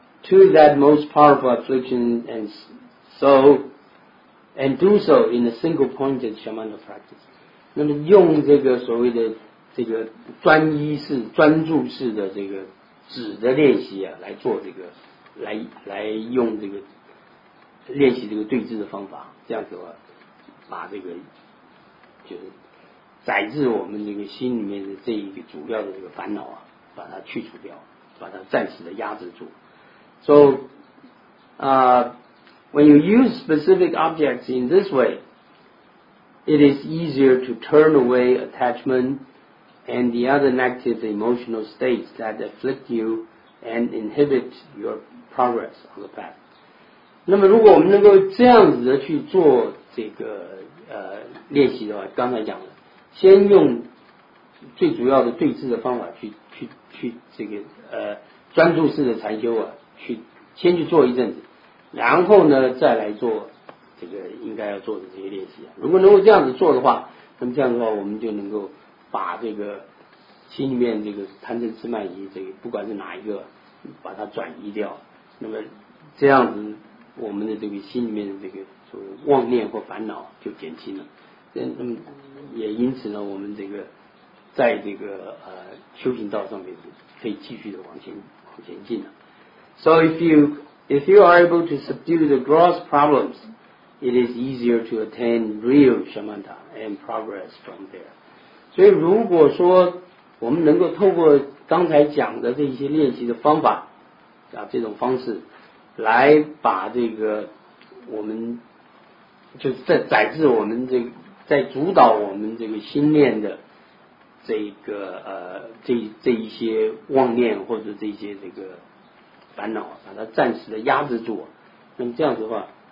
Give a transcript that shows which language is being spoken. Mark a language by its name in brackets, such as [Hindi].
[English] To that most powerful affliction and do so in a single pointed shamatha practice. [Chinese] 那么用这个所谓的这个专一式专注式的这个止的练习啊，来做这个来用这个练习这个对治的方法，这样子的话把这个就是载至我们这个心里面的这一个主要的这个烦恼啊，把它去除掉，把它暂时的压制住。 [English] So, when you use specific objects in this way, it is easier to turn away attachment and the other negative emotional states that afflict you and inhibit your progress on the path. [Chinese] 那么如果我们能够这样子的去做这个练习的话，刚才讲了，先用最主要的对治的方法去这个专注式的禅修啊，去先去做一阵子，然后呢再来做这个应该要做的这些练习啊。如果能够这样子做的话，那么这样的话我们就能够把这个心里面这个贪嗔痴慢疑这个不管是哪一个把它转移掉，那么这样子我们的这个心里面的这个所谓妄念或烦恼就减轻了。那么也因此呢，我们这个在这个修行道上面可以继续的往前进了。 [English] So if you are able to subdue the gross problems, it is easier to attain real shamatha and progress from there. [Chinese] 所以如果说我们能够透过刚才讲的这些练习的方法啊，这种方式来把这个我们就是在载制我们这个在主导我们这个心念的这个这一些妄念或者这些这个烦恼，把它暂时的压制住。那么这样子的话，